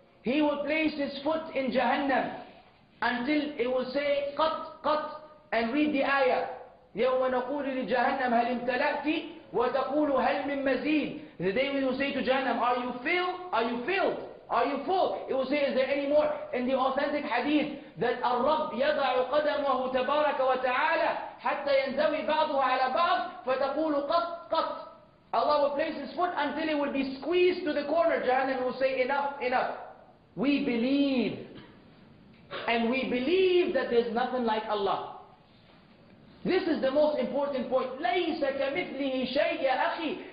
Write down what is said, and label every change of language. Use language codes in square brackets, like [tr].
[en] He will place His foot in Jahannam until it will say, Qat, Qat. And read the ayah. [ar] يَوْمَ نَقُولُ لِجَهَنَّمْ هَلْ امْتَلَأْتِ وَتَقُولُ هَلْ مِنْ مَزِيدٍ. [en] The day we will say to Jahannam, are you filled? Are you filled? Are you full? It will say, is there any more? In the authentic hadith, that [ar] الرَّبْ يَضَعُ قَدَمَهُ تَبَارَكَ وَتَعَالَى حَتَّى يَنْزَوِي بَعْضُهُ عَلَى بَعْضٍ فَتَقُولُ قَطْ قَطْ. [en] Allah will place His foot until it will be squeezed to the corner. Jahannam will say, enough, enough. We believe. And we believe that there's nothing like Allah. This is the most important point. [ar] لَيْسَ كَمِثْلِهِ شَيْءَ أَخِي.